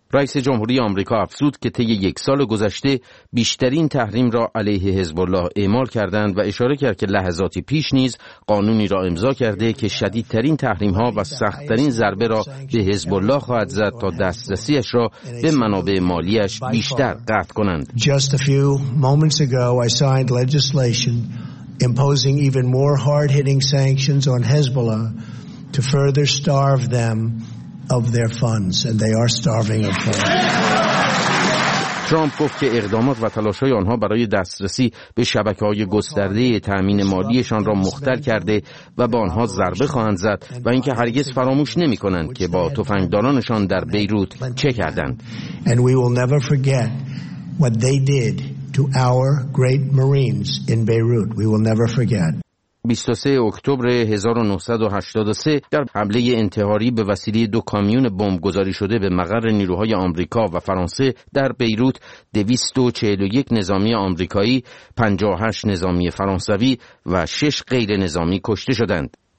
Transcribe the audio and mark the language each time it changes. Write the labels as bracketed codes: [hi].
[fa] رئیس جمهوری آمریکا افزود که طی یک سال گذشته بیشترین تحریم را علیه حزب الله اعمال کردند و اشاره کرد که لحظاتی پیش نیز قانونی را امضا کرده که شدیدترین تحریم ها و سختترین ضربه را به حزب الله خواهد زد تا دسترسی اش را به منابع مالی اش بیشتر قطع کنند. [en] Just a few moments ago I signed legislation imposing even more hard-hitting sanctions on Hezbollah to further starve them of their funds, and they are starving of funds. [fa] ترامپ گفت که اقدامات و تلاش‌های آنها برای دسترسی به شبکه‌های گسترده تأمین مالیشان را مختل کرده و به آنها ضربه خواهند زد و اینکه هرگز فراموش نمی‌کنند که با تفنگدارانشان در بیروت چه کردند. [en] And we will never forget what they did to our great Marines in Beirut. We will never forget. [fa] 23 اکتبر 1983 در حمله انتحاری به وسیله دو کامیون بمب گذاری شده به مقر نیروهای آمریکا و فرانسه در بیروت 241 نظامی آمریکایی، 58 نظامی فرانسوی و 6 غیر نظامی کشته شدند.